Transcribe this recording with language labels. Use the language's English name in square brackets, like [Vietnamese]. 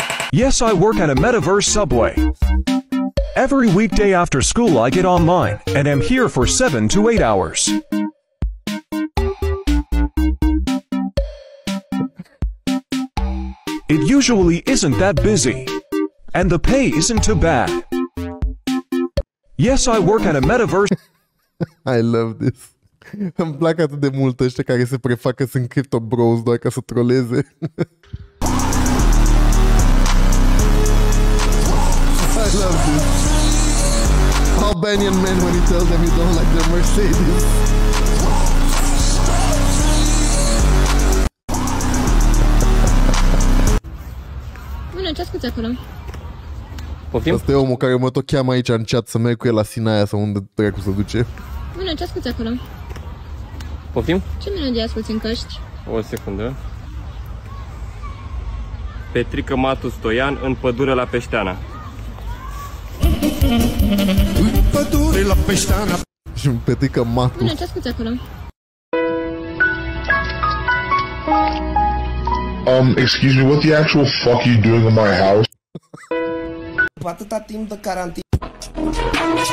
[English] Yes, I work at a metaverse subway. Every weekday after school I get online and am here for 7 to 8 hours. It usually isn't that busy. And the pay isn't too bad. Yes, I work at a metaverse. I love this. [Romanian] Îmi plac atât de mult ăștia care se prefac că sunt crypto bros doar ca să troleze. [English] I love this. Albanian men when he tells them you don't like their Mercedes. [Romanian] Ce asculti acolo? Asta e omul care mă tot cheamă aici în chat să merg cu el la Sinaia sau unde trebuie să duce. Bine, ce asculti acolo? Poftim? Ce melodie asculti în căști? O secundă. Petrică Matu Stoian în pădure la Peșteana. În pădure la Peșteana. Și un Petrică Matu. Bine, ce asculti acolo? [English] Excuse me, what the actual fuck are you doing in my house? [Romanian] Atâta timp de carantină.